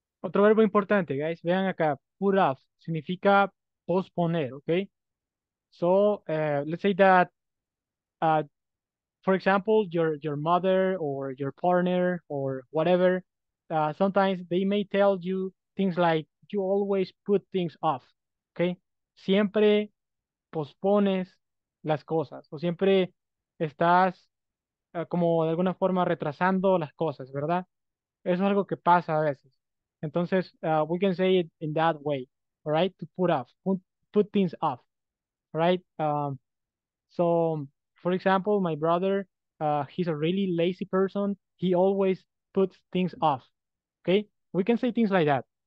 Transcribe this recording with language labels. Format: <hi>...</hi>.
<es>Otro verbo importante, guys. Vean acá, put off significa posponer, okay?</es> <en>So, let's say that, for example, your mother or your partner or whatever, sometimes they may tell you things like, you always put things off, okay?</en> <es>Siempre pospones las cosas o siempre estás como de alguna forma retrasando las cosas, ¿verdad? Eso es algo que pasa a veces.</es> <en>Entonces, we can say it in that way, all right? To put off, put things off, right? So, for example, my brother, he's a really lazy person. He always puts things off, okay? We can say things like that.</en>